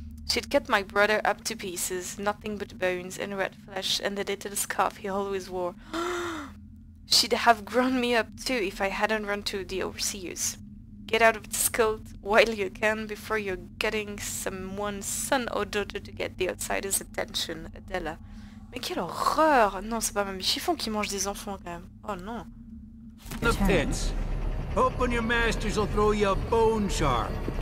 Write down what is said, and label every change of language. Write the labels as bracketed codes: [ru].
[en] She'd cut my brother up to pieces, nothing but bones and red flesh and the little scarf he always wore. She'd have grown me up too if I hadn't run to the overseers. Get out of this cult while you can before you're getting someone's son or daughter to get the outsider's attention, Adela. [fr] Mais quelle horreur! Non, c'est pas même chiffon qui mange des enfants quand même. Oh non. [en] The pits. Hoping your masters will throw you a bone shard.